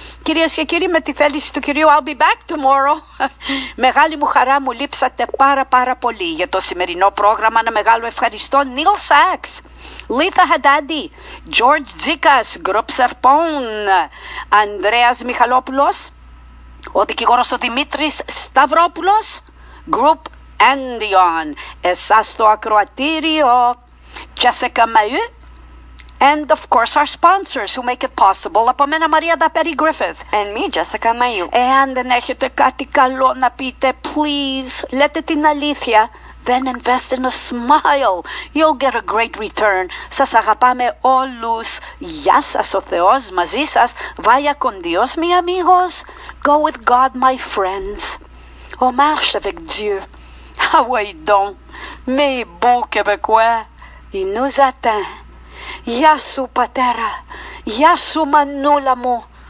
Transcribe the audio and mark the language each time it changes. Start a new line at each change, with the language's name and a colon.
Greek: Κυρίες και κύριοι, με τη θέληση του κυρίου,
English: I'll be back tomorrow.
Greek: Μεγάλη μου χαρά, μου λείψατε πάρα πολύ για το σημερινό πρόγραμμα. Ένα μεγάλο ευχαριστώ. Neil Sachs, Λίθα Χαντάντη, George Zikas, Group Serpon, Ανδρέας Μιχαλόπουλος, ο δικηγόρος ο Δημήτρης Σταυρόπουλος, Group Endion, εσάς το ακροατήριο, Jessica Mayu,
English: and of course our sponsors who make it possible.
Greek: Από μένα Μαρία Δαπέρι Γκρίφιθ.
English: And me, Jessica Mayu.
Greek: Εάν δεν έχετε κάτι καλό να πείτε, please, λέτε την αλήθεια,
English: then invest in a smile. You'll get a great return.
Greek: Σας αγαπάμε όλους. Γεια σας ο Θεός μαζί σας.
Spanish: Vaya con Dios, mi amigos.
English: Go with God, my friends.
French: Au marche avec Dieu. Ah oui donc, mes beaux Québécois, il nous atteint.
Greek: Γεια σου πατέρα, γεια σου μανούλα μου.